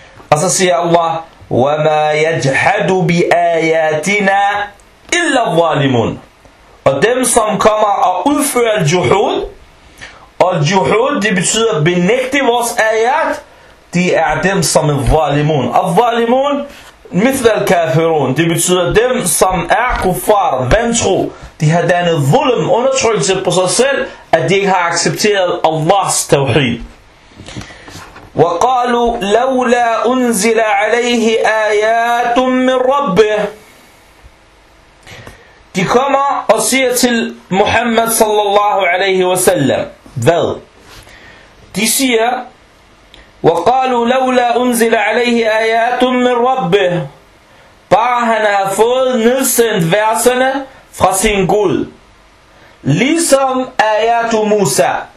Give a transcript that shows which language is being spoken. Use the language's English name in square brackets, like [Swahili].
[Danish] Og så siger [Arabic] Allah, وَمَا يَجْحَدُ بِآيَاتِنَا إِلَّا الظَّالِمُونَ. [Danish] Og dem som kommer og udfører al-juhud, og juhud det betyder at benægte vores ayat, de er dem som er valimun. Og valimun, [Arabic] مثل الكافرون, [Danish] det betyder dem som er kuffar, vantro, de har dannet vulm, undertrykkelse på sig selv, at de ikke har accepteret Allahs tawhid. [Arabic] وقالوا لولا أنزل عليه آيات من ربه. [Danish] De kommer og siger til Muhammad sallallahu alaihi wasallam. Hvad? De siger, [Arabic] وقالوا لولا أنزل عليه آيات من ربه. [Danish] Bare han har fået nedsendt verserne fra sin Gud. Ligesom [Arabic] آيات موسى.